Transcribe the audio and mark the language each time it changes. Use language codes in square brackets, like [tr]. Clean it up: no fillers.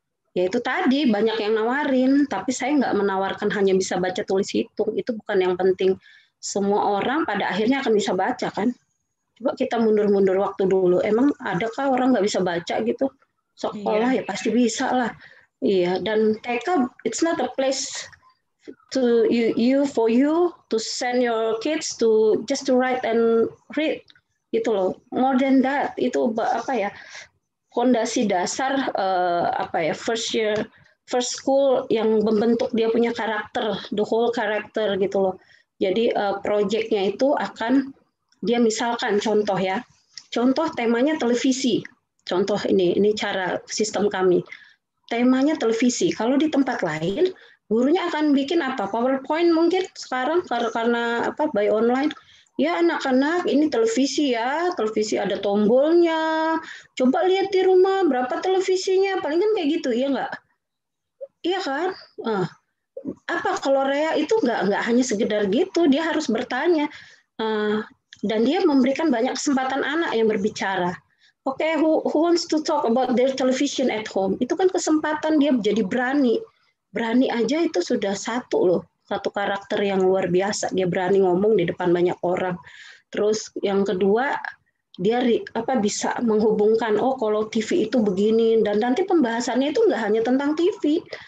[id] Ya itu tadi, banyak yang nawarin, tapi saya nggak menawarkan hanya bisa baca tulis hitung, itu bukan yang penting. Semua orang pada akhirnya akan bisa baca kan? Coba kita mundur-mundur waktu dulu, emang adakah orang nggak bisa baca gitu? Sekolah ya pasti bisa lah. Iya, dan TK, [en] it's not a place to you for you to send your kids to just to write and read [id] gitu loh. [en] More than that, [id] itu apa ya, fondasi dasar apa ya, [en] first year, first school [id] yang membentuk dia punya karakter, [en] the whole character [id] gitu loh. Jadi proyeknya itu akan dia, misalkan contoh ya, contoh temanya televisi, contoh ini cara sistem kami, temanya televisi. Kalau di tempat lain, gurunya akan bikin apa? PowerPoint mungkin sekarang karena apa, [en] by online. [id] Ya anak-anak, ini televisi ya. Televisi ada tombolnya. Coba lihat di rumah berapa televisinya. Paling kan kayak gitu, iya nggak? Iya kan? Apa kolorea itu nggak hanya sekedar gitu. Dia harus bertanya. Dan dia memberikan banyak kesempatan anak yang berbicara. [en] Oke, okay, who wants to talk about their television at home? [id] Itu kan kesempatan dia menjadi berani. Berani aja itu sudah satu loh, satu karakter yang luar biasa. Dia berani ngomong di depan banyak orang. Terus yang kedua, dia apa bisa menghubungkan, oh kalau TV itu begini, dan nanti pembahasannya itu nggak hanya tentang TV.